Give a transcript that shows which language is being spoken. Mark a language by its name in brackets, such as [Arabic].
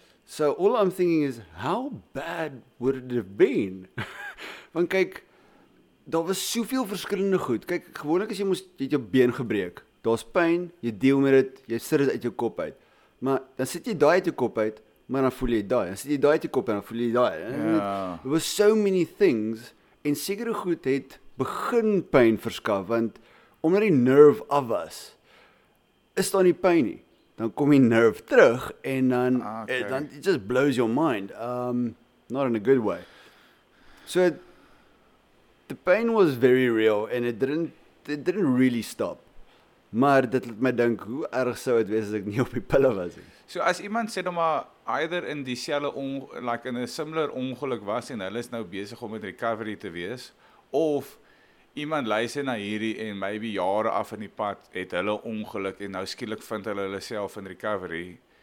[English] So all I'm thinking is, how bad would it have been? [Afrikaans] Want kyk, daar was soveel verskillende goed. Kyk, gewoonlik as jy het jou been gebreek, daar's pain, jy deel met dit, jy sit dit uit jou kop uit. Maar dan sit jy daai uit jou kop uit, maar dan voel jy daai. Dan sit jy daai uit jou kop en dan voel jy daai. Ja. [English] There was so many things, [Afrikaans] en sekere goed het begin pain verskaf, want omdat die nerve af was, is daar nie pain nie. Dan kom die nerve terug en dan, [English] okay. [Afrikaans] Dan [English] it just blows your mind. Not in a good way. So the pain was very real and it didn't really stop. [Afrikaans] Maar dit laat my dink hoe erg sou dit wees as ek nie op die pille was nie. So as iemand sê nou maar either in dieselfde like [English] in a similar [Afrikaans] ongeluk was en hulle is nou besig om met recovery te wees of iemand luister na hierdie en maybe jare af in die pad het hulle ongeluk en nou skielik vind hulle self in recovery.